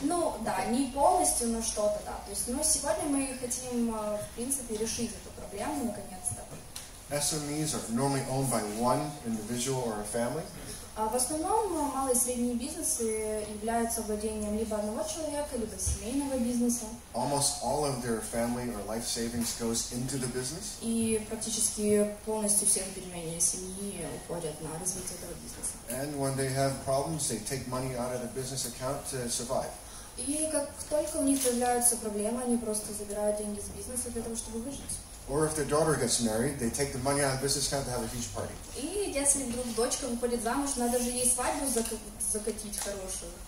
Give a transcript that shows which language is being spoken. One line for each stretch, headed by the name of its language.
Russian: Ну да, не полностью, но что-то да. То есть, но сегодня мы хотим в принципе решить эту проблему наконец-то.
English: SMEs are normally owned by one individual or a family.
Russian: В основном малые и средние бизнесы являются владением либо одного человека, либо семейного бизнеса.
English: Almost all of their family or life savings goes into the business.
Russian: И практически полностью все сбережения семьи уходят на развитие этого бизнеса.
English: And when they have problems, they take money out of the business account to survive.
Russian: И как только у них появляются проблемы, они просто забирают деньги из бизнеса для того, чтобы выжить.
English: Or if their daughter gets married, they take the money out of the business account to have a huge party.
Russian: И если вдруг дочка выходит замуж, надо же ей свадьбу закатить хорошую.